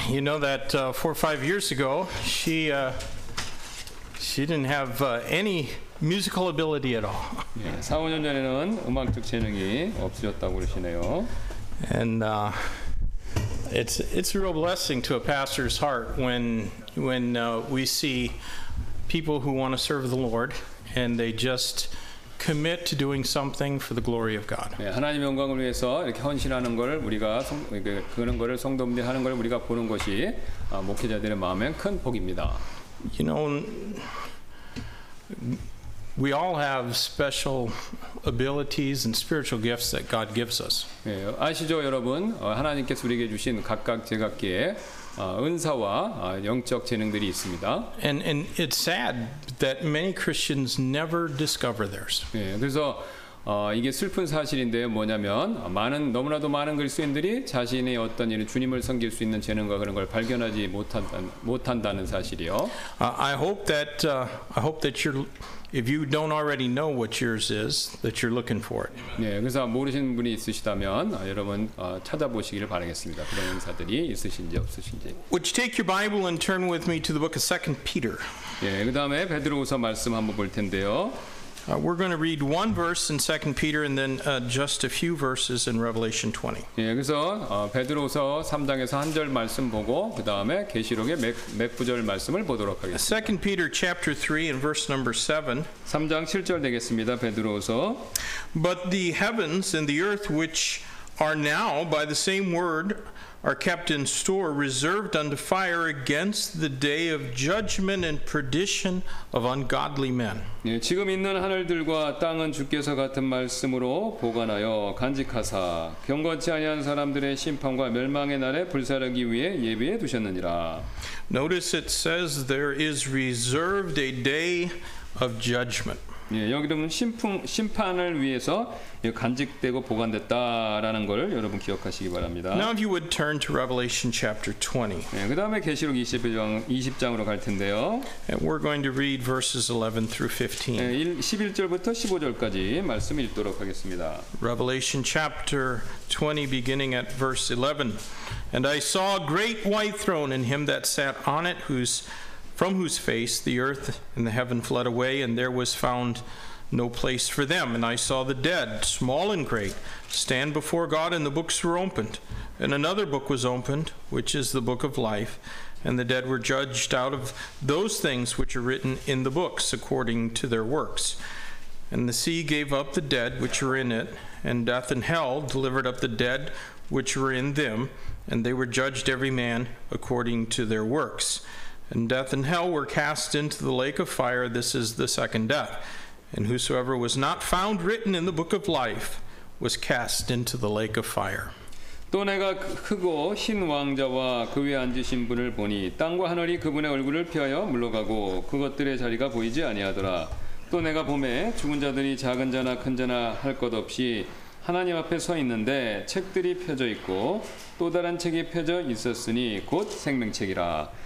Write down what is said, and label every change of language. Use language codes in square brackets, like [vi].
[en] You know that 4 or 5 years ago, she didn't have any musical ability at all. [ko] 4, 5년 전에는 음악적 재능이 없으셨다고 그러시네요. [en] And it's a real blessing to a pastor's heart when we see people who want to serve the Lord and they just commit to doing something for the glory of God. [ko] 예, 하나님의 영광을 위해서 이렇게 헌신하는 것을 우리가 그런 것을 성도분들이 하는 것을 우리가 보는 것이 목회자들의 마음에 큰 복입니다. [en] You know, we all have special abilities and spiritual gifts that God gives us. [ko] 예, 아시죠, 여러분? 하나님께서 우리에게 주신 각각 제각기에 은사와 영적 재능들이 있습니다. [en] And it's sad that many Christians never discover theirs. [ko] 예, 그래서 이게 슬픈 사실인데 뭐냐면 너무나도 많은 그리스도인들이 자신의 어떤 일을 주님을 섬길 수 있는 재능과 그런 걸 발견하지 못한다는 사실이요. [en] I hope that you're if you don't already know what yours is that you're looking for it. [ko] 예, 그래서 모르시는 분이 있으시다면 여러분 찾아보시기를 바라겠습니다. 그런 은사들이 있으신지 없으신지. [en] Would you take your Bible and turn with me to the book of 2 Peter? [ko] 예, 그다음에 베드로후서 말씀 한번 볼 텐데요. [en] We're going to read one verse in 2 Peter and then just a few verses in Revelation 20. [ko] 예, 그래서 베드로서 3장에서 한 절 말씀 보고 그다음에 계시록의 몇 구절 말씀을 보도록 하겠습니다. [en] 2 Peter chapter 3 and verse number 7. [ko] 3장 7절 되겠습니다. 베드로서 [en] But the heavens and the earth which are now by the same word are kept in store, reserved unto fire against the day of judgment and perdition of ungodly men. [ko] 예, 지금 있는 하늘들과 땅은 주께서 같은 말씀으로 보관하여 간직하사 경건치 아니한 사람들의 심판과 멸망의 날에 불사르기 위해 예비해 두셨느니라. [en] Notice it says there is reserved a day of judgment. [ko] 예, 여기도 심판을 위해서 간직되고 보관됐다라는 것을 여러분 기억하시기 바랍니다. [en] Now if you would turn to Revelation chapter 20. [ko] 예, 그 다음에 계시록 20장으로 갈 텐데요. [en] And we're going to read verses 11 through 15. [ko] 예, 11절부터 15절까지 말씀 읽도록 하겠습니다. [en] Revelation chapter 20 beginning at verse 11. And I saw a great white throne and him that sat on it from whose face the earth and the heaven fled away, and there was found no place for them. And I saw the dead, small and great, stand before God, and the books were opened. And another book was opened, which is the book of life. And the dead were judged out of those things which are written in the books, according to their works. And the sea gave up the dead which were in it, and death and hell delivered up the dead which were in them, and they were judged every man according to their works. And death and hell were cast into the lake of fire. This is the second death. And whosoever was not found written in the book of life was cast into the lake of fire. [ko] 또 내가 크고 흰 왕좌와 그 위에 앉으신 분을 보니 땅과 하늘이 그분의 얼굴을 피하여 물러가고 그것들의 자리가 보이지 아니하더라. 또 내가 보매 죽은 자들이 작은 자나 큰 자나 할 것 없이 하나님 앞에 서 있는데 책들이 펴져 있고 또 다른 책이 펴져 있었으니 곧 생명책이라.